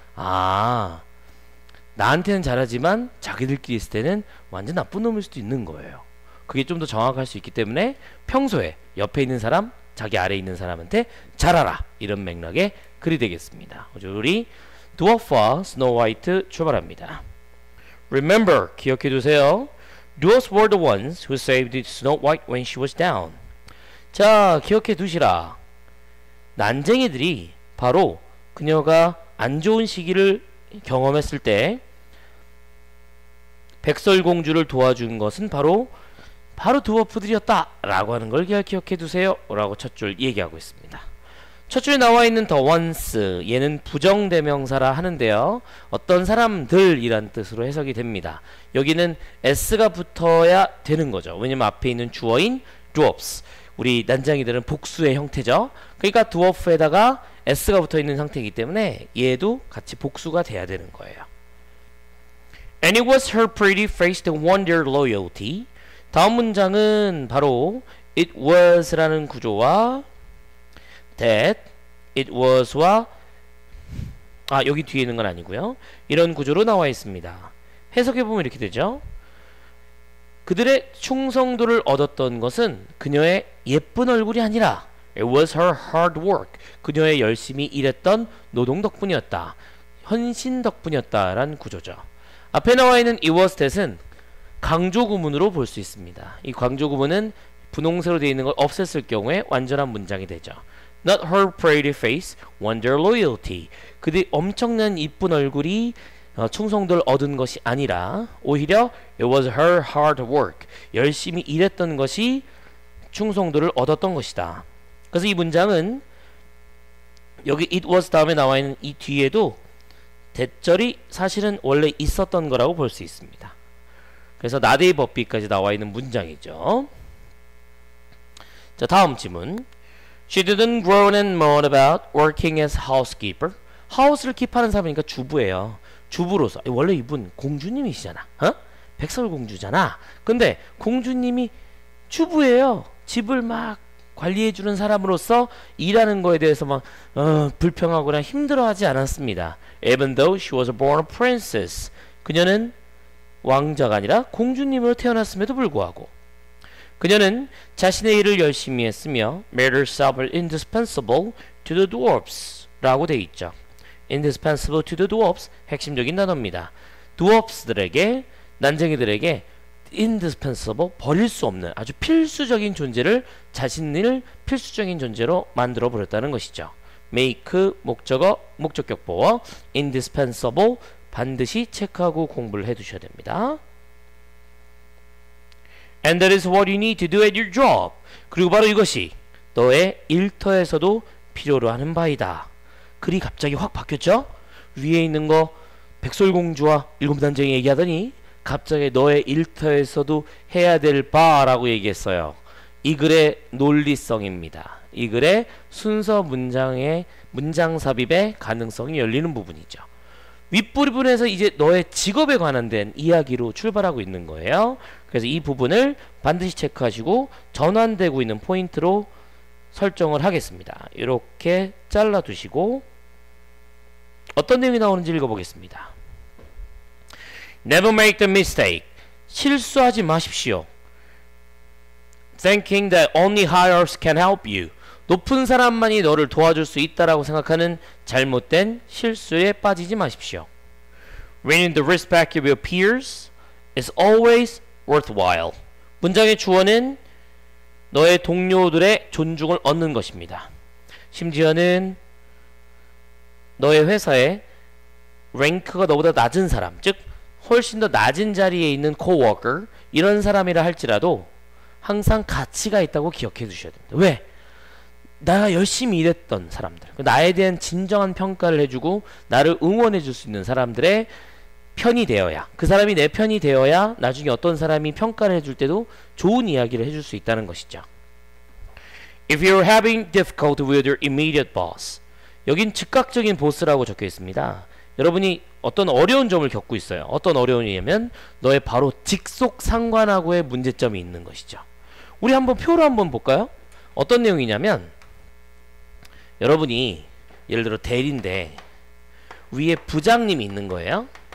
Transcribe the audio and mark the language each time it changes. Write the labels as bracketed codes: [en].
[ko] 아, 나한테는 잘하지만 자기들끼리 있을 때는 완전 나쁜 놈일 수도 있는 거예요. 그게 좀 더 정확할 수 있기 때문에 평소에 옆에 있는 사람, 자기 아래에 있는 사람한테 잘하라 이런 맥락의 글이 되겠습니다. 우리 두어퍼 스노우 화이트 출발합니다. [en] Remember, [ko] 기억해두세요. [en] Dwarfs were the ones who saved Snow White when she was down. [ko] 자, 기억해두시라. 난쟁이들이 바로 그녀가 안 좋은 시기를 경험했을 때 백설공주를 도와준 것은 바로 드워프들이었다 라고 하는 걸 기억해 두세요 라고 첫 줄 얘기하고 있습니다. 첫 줄에 나와 있는 the once, 얘는 부정대명사라 하는데요, 어떤 사람들이란 뜻으로 해석이 됩니다. 여기는 s가 붙어야 되는 거죠. 왜냐면 앞에 있는 주어인 dwarfs, 우리 난장이들은 복수의 형태죠. 그러니까 dwarf에다가 s가 붙어 있는 상태이기 때문에 얘도 같이 복수가 돼야 되는 거예요. [en] And it was her pretty face that won their loyalty. [ko] 다음 문장은 바로 it was라는 구조와 that, it was와 아 여기 뒤에 있는 건 아니고요. 이런 구조로 나와 있습니다. 해석해보면 이렇게 되죠. 그들의 충성도를 얻었던 것은 그녀의 예쁜 얼굴이 아니라 [en] it was her hard work, [ko] 그녀의 열심히 일했던 노동 덕분이었다, 헌신 덕분이었다라는 구조죠. 앞에 나와 있는 it was that은 강조구문으로 볼 수 있습니다. 이 강조구문은 분홍색으로 되어 있는 걸 없앴을 경우에 완전한 문장이 되죠. [en] Not her pretty face, won their loyalty. [ko] 그들이 엄청난 이쁜 얼굴이 충성도를 얻은 것이 아니라 오히려 [en] it was her hard work, [ko] 열심히 일했던 것이 충성도를 얻었던 것이다. 그래서 이 문장은 여기 it was 다음에 나와 있는 이 뒤에도 대절이 사실은 원래 있었던 거라고 볼 수 있습니다. 그래서 나데이 법비까지 나와 있는 문장이죠. 자, 다음 질문. [en] She didn't groan and moan about working as housekeeper. [ko] 하우스를 킵하는 사람이니까 주부예요. 주부로서 원래 이분 공주님이시잖아. 어? 백설공주잖아. 근데 공주님이 주부예요. 집을 막 관리해 주는 사람으로서 일하는 거에 대해서 막 불평하거나 힘들어하지 않았습니다. [en] Even though she was born a princess. [ko] 그녀는 왕자가 아니라 공주님으로 태어났음에도 불구하고 그녀는 자신의 일을 열심히 했으며 [en] made herself indispensable to the dwarfs [ko] 라고 돼 있죠. indispensable to the dwarfs 핵심적인 단어입니다. dwarfs들에게 난쟁이들에게 indispensable 버릴 수 없는 아주 필수적인 존재를 자신을 필수적인 존재로 만들어 버렸다는 것이죠. make 목적어 목적격보어 indispensable 반드시 체크하고 공부를 해두셔야 됩니다. [en] And that is what you need to do at your job. [ko] 그리고 바로 이것이 너의 일터에서도 필요로 하는 바이다. 글이 갑자기 확 바뀌었죠? 위에 있는 거 백설공주와 일곱단쟁이 얘기하더니 갑자기 너의 일터에서도 해야 될 바라고 얘기했어요. 이 글의 논리성입니다. 이 글의 순서 문장의 문장 삽입의 가능성이 열리는 부분이죠. 윗부분에서 이제 너의 직업에 관한된 이야기로 출발하고 있는 거예요. 그래서 이 부분을 반드시 체크하시고 전환되고 있는 포인트로 설정을 하겠습니다. 이렇게 잘라두시고 어떤 내용이 나오는지 읽어보겠습니다. [en] Never make the mistake. [ko] 실수하지 마십시오. [en] Thinking that only hires can help you. [ko] 높은 사람만이 너를 도와줄 수 있다라고 생각하는 잘못된 실수에 빠지지 마십시오. [en] Winning the respect of your peers is always worthwhile. [ko] 문장의 주어는 너의 동료들의 존중을 얻는 것입니다. 심지어는 너의 회사에 랭크가 너보다 낮은 사람, 즉 훨씬 더 낮은 자리에 있는 코워커 이런 사람이라 할지라도 항상 가치가 있다고 기억해 주셔야 됩니다. 왜? 내가 열심히 일했던 사람들, 나에 대한 진정한 평가를 해주고 나를 응원해 줄 수 있는 사람들의 편이 되어야, 그 사람이 내 편이 되어야 나중에 어떤 사람이 평가를 해줄 때도 좋은 이야기를 해줄 수 있다는 것이죠. [en] If you're having difficulty with your immediate boss, [ko] 여긴 즉각적인 보스라고 적혀 있습니다. 여러분이 어떤 어려운 점을 겪고 있어요. 어떤 어려움이냐면 너의 바로 직속 상관하고의 문제점이 있는 것이죠. 우리 한번 표로 한번 볼까요? 어떤 내용이냐면 여러분이 예를 들어 대리인데 위에 부장님이 있는 거예요.